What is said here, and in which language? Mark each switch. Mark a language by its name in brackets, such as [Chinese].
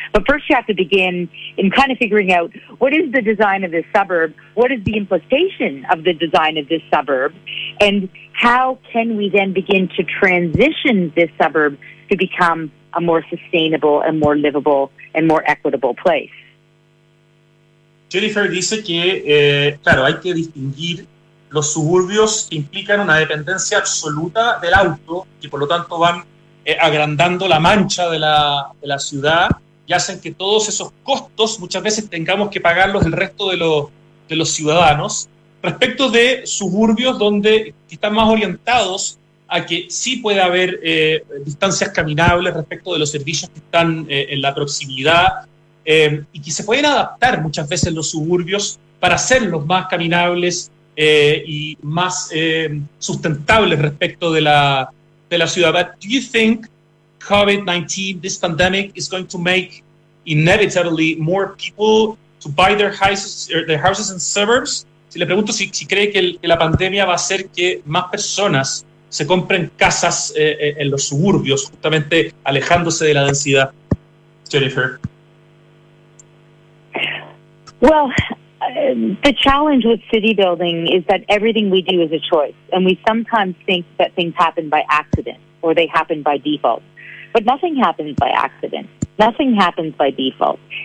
[English] But first you have to begin in kind of figuring out what is the design of this suburb, what is the implication of the design of this suburb, and how can we then begin to transition this suburb to become a more sustainable and more livable and more equitable place. [Spanish] Jennifer dice que, claro, hay que distinguir los suburbios que implican una dependencia absoluta del auto y por lo tanto van agrandando la mancha de la ciudad y hacen que todos esos costos muchas veces tengamos que pagarlos el resto de los ciudadanos. Respecto de suburbios donde están más orientados a que sí puede haber distancias caminables respecto de los servicios que están en la proximidad y que se pueden adaptar muchas veces los suburbios para hacerlos más caminables y más sustentables respecto de la ciudad. [English] But do you think COVID-19, this pandemic, is going to make inevitably more people to buy their houses in suburbs? [Spanish] Si le pregunto si cree que la pandemia va a hacer que más personas se compren casas en los suburbios, justamente alejándose de la densidad. Jennifer. [English] Well, the challenge with city building is that everything we do is a choice, and we sometimes think that things happen by accident or they happen by default. But nothing happens by accident. Nothing happens by default.